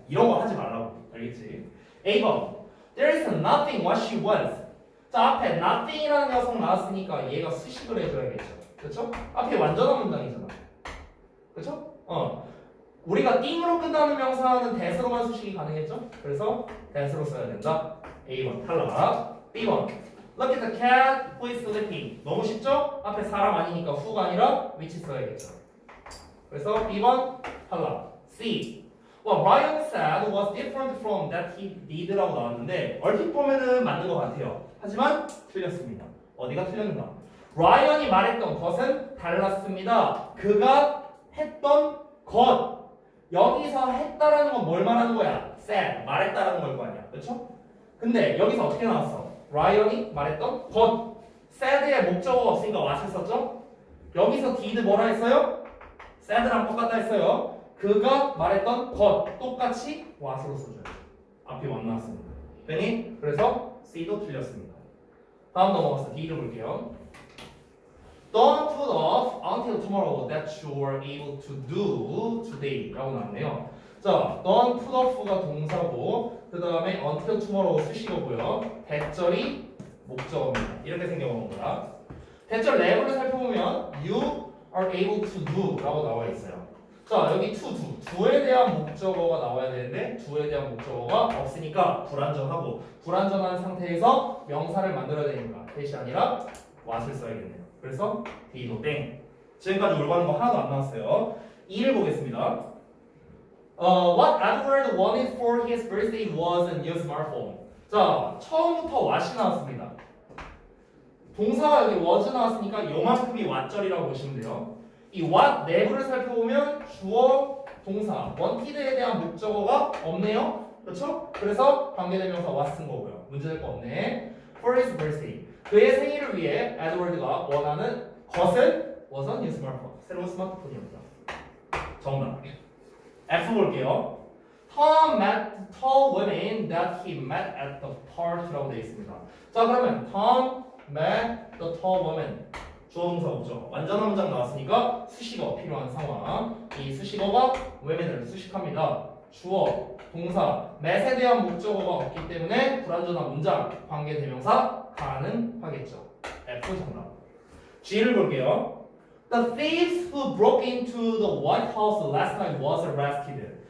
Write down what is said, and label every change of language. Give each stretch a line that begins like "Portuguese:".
Korean: 이런 거 하지 말라고. 알겠지? A번
English: There is nothing what she wants.
Korean: 자, 앞에 nothing이라는 녀석 나왔으니까 얘가 수식을 해줘야겠죠. 그쵸? 앞에 완전한 문장이잖아. 그쵸? 우리가 띵으로 끝나는 명사는 that으로만 수식이 가능했죠? 그래서 that으로 써야 된다. A번 탈락.
English: B번 Look at the cat who is sleeping.
Korean: 너무 쉽죠? 앞에 사람 아니니까 who가 아니라 which 써야겠죠. 그래서 B번 탈락. C
English: What Ryan said was different from that he did
Korean: 라고 나왔는데 얼핏 보면은 맞는 것 같아요. 하지만 틀렸습니다. 어디가 틀렸는가? 라이언이 말했던 것은 달랐습니다. 그가 했던 것. 여기서 했다라는 건 뭘 말하는 거야? said, 말했다라는 걸 거 아니야. 그렇죠? 근데 여기서 어떻게 나왔어? 라이언이 말했던 것. said의 목적어 없으니까 what을 썼죠? 여기서 did 뭐라 했어요? said랑 똑같다 했어요. 그가 말했던 것. 똑같이 what으로 써줘요. 앞이 안 나왔습니다. 괜히? 그래서 C도 틀렸습니다. 다음 넘어가서 D를 볼게요.
English: Don't put off until tomorrow that you're able to do today
Korean: 라고 나왔네요. 자, Don't put off가 동사고 그 다음에 until tomorrow 수식어고요. 대절이 목적어입니다. 이렇게 생겨보는 거라 대절 레벨을 살펴보면
English: You are able to do
Korean: 라고 나와 있어요. 자, 여기 두에 대한 목적어가 나와야 되는데 두에 대한 목적어가 없으니까 불완전하고 불완전한 상태에서 명사를 만들어야 되니까 that이 아니라 what을 써야겠네요. 그래서 D도 땡. 지금까지 올바른 거 하나도 안 나왔어요. E를 보겠습니다.
English: What Edward wanted for his birthday was a new smartphone.
Korean: 자, 처음부터 what이 나왔습니다. 동사가 여기 was 나왔으니까 요만큼이 what절이라고 보시면 돼요. 이 what 내부를 살펴보면 주어 동사 wanted에 대한 목적어가 없네요. 그렇죠? 그래서 관계대명사 was 쓴 거고요. 문제 될 거 없네.
English: For his birthday.
Korean: 그의 생일을 위해 Edward가 원하는 것은
English: was a new smartphone.
Korean: 새로운 스마트폰이었다. 정답. F 볼게요.
English: Tom met the tall women that he met at the park
Korean: 라고 되어 있습니다. 자 그러면
English: Tom met the tall women.
Korean: 조동사 없죠. 완전한 문장 나왔으니까 수식어 필요한 상황. 이 수식어가 women을 수식합니다. 주어, 동사, met에 대한 목적어가 없기 때문에 불완전한 문장, 관계대명사 가능하겠죠. F 정답. G를 볼게요.
English: The thieves who broke into the White House last night was arrested.